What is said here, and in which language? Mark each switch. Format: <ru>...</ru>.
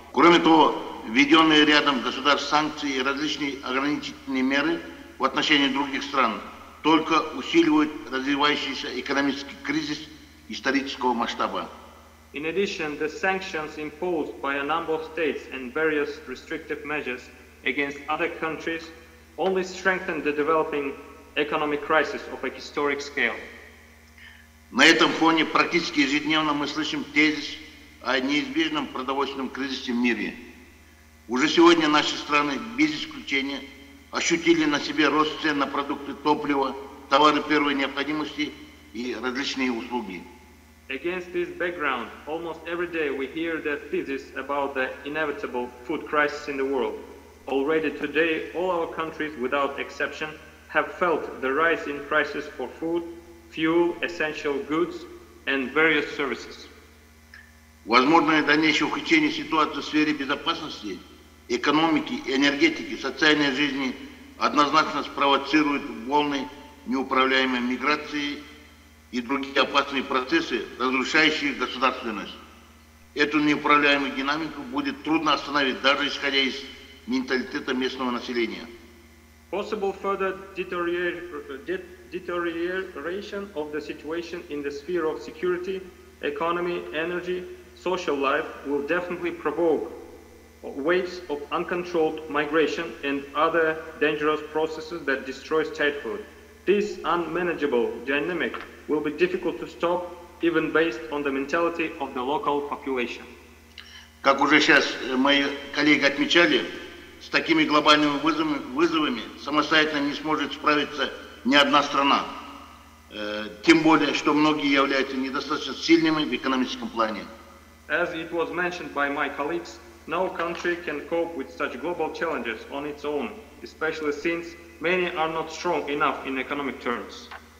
<ru>Кроме того, введенные рядом государств санкции и различные ограничительные меры в отношении других стран только усиливают развивающийся экономический кризис исторического масштаба.</ru> <en>In addition, the sanctions imposed by a number of states and various restrictive measures against other countries only strengthen the developing economic crisis of a historic scale.</en> <ru>На этом фоне практически ежедневно мы слышим тезис о неизбежном продовольственном кризисе в мире. Уже сегодня наши страны, без исключения, ощутили на себе рост цен на продукты топлива, товары первой необходимости и различные услуги.</ru> <en>Against this background, almost every day we hear the thesis about the inevitable food crisis in the world. Already today, all our countries, without exception, have felt the rise in prices for food, fuel, essential goods, and various services.</en> <ru>Возможное дальнейшее ухудшение ситуации в сфере безопасности, экономики, энергетики, социальной жизни однозначно спровоцирует волны неуправляемой миграции и другие опасные процессы, разрушающие государственность. Эту неуправляемую динамику будет трудно остановить, даже исходя из менталитета местного населения.</ru> <en>Possible further deterioration of the situation in the sphere of security, economy, energy, social life will definitely provoke waves of uncontrolled migration and other dangerous processes that destroy statehood. This unmanageable dynamic will be difficult to stop, even based on the mentality of the local population.</en> <ru>Как уже сейчас мои коллеги отмечали, с такими глобальными вызовами самостоятельно не сможет справиться ни одна страна. Тем более, что многие являются недостаточно сильными в экономическом плане.</ru> <en>As it was mentioned by my colleagues, no country can cope with such global challenges on its own, especially since many are not strong enough in economic terms.</en>